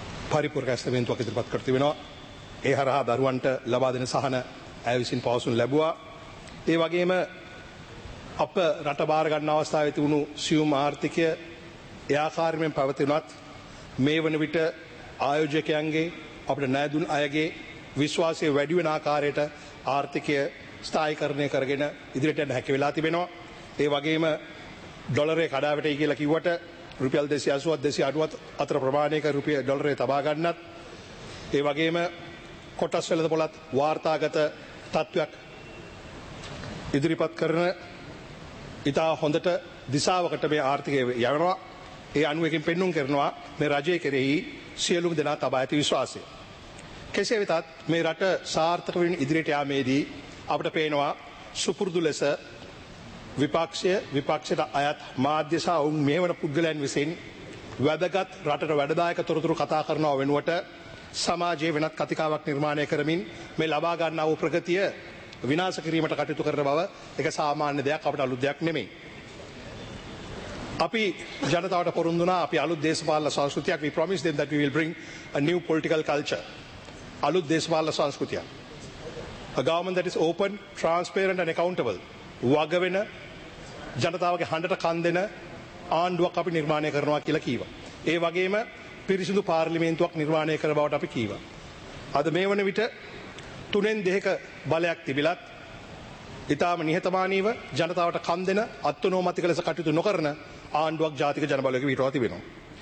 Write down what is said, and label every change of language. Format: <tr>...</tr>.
<si>paripurka asthaventhwak idirpat karathi wenawa e haraha daruwanta laba dena sahana aya visin pawasun labuwa e wageema අප රට බාර ගන්න අවස්ථාවේ තිබුණු සියුම් ආර්ථිකය යාකාරීමෙන් පැවතුණත් මේ වන විට ආයෝජකයන්ගේ අපිට ණය දුන් අයගේ විශ්වාසය වැඩි වෙන ආකාරයට ආර්ථිකය ස්ථායීකරණය කරගෙන ඉදිරියට යන්න හැකි වෙලා තිබෙනවා. ඒ වගේම ඩොලරේ කඩාවැටේ කියලා කිව්වට රුපියල් 280ත් 280ත් අතර ප්‍රමාණයක රුපියල් ඩොලරේ තබා ගන්නත් ඒ වගේම කොටස් වලද පොලත් වාර්තාගත තත්වයක් ඉදිරිපත් කරන ඉතා හොඳට දිසාවකට මේ ආර්ථිකය යනවා ඒ අනුවකින් පෙන්නුම් කරනවා මේ රජයේ කෙරෙහි සියලුම දෙනා තබා ඇති විශ්වාසය කෙසේ වෙතත් මේ රට සාර්ථක වෙමින් ඉදිරියට යාමේදී අපට පේනවා සුපුරුදු ලෙස විපක්ෂයට අයත් මාධ්‍ය සහ ඔවුන් මෙහෙවන පුද්ගලයන් විසින් වැදගත් රටට වැඩදායක තොරතුරු කතා කරනවා වෙනුවට සමාජයේ වෙනත් කතිකාවක් නිර්මාණය කරමින් මේ ලබා ගන්නා වූ ප්‍රගතිය විනාශ කිරීමට කටයුතු කරන බව එක සාමාන්‍ය දෙයක් අපට අලුත් දෙයක් නෙමෙයි. අපි ජනතාවට පොරොන්දුනා අපි අලුත් දේශපාලන සංස්කෘතියක්</si> <en>we promise them that we will bring a new political culture.</en> <si>අලුත් දේශපාලන සංස්කෘතියක්.</si> <en>A government that is open, transparent and accountable.</en> <si>වගවෙන ජනතාවගේ හඬට කන් දෙන ආණ්ඩුවක් අපි නිර්මාණය කරනවා කියලා කීවා. ඒ වගේම පිරිසිදු පාර්ලිමේන්තුවක් නිර්මාණය කර බවට අපි කීවා. අද මේ වන විට තුනෙන් දෙක බලයක් තිබිලත් ඉතාම නිහතමානීව ජනතාවට කන් දෙන අත්නෝමතික ලෙස කටයුතු නොකරන ආණ්ඩුවක් ජාතික ජනබලයක විතරව තිබෙනවා.</si>